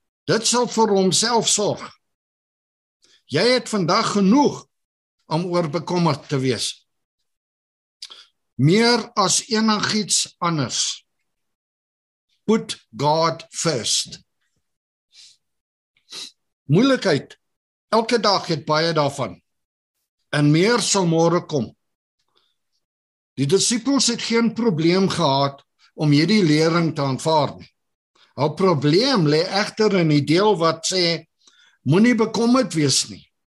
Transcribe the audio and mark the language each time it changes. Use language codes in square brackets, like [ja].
[af] Dit sal vir homself sorg. Jy het vandag genoeg om oor bekommerd te wees. Meer as enigiets anders. [en] Put God first. [af] Moeilikheid. Elke dag het baie daarvan. En meer sal môre kom. Die disippels het geen probleem gehad om hierdie lering te aanvaar. Hul probleem lê egter in die deel wat sê, moenie bekommerd wees nie.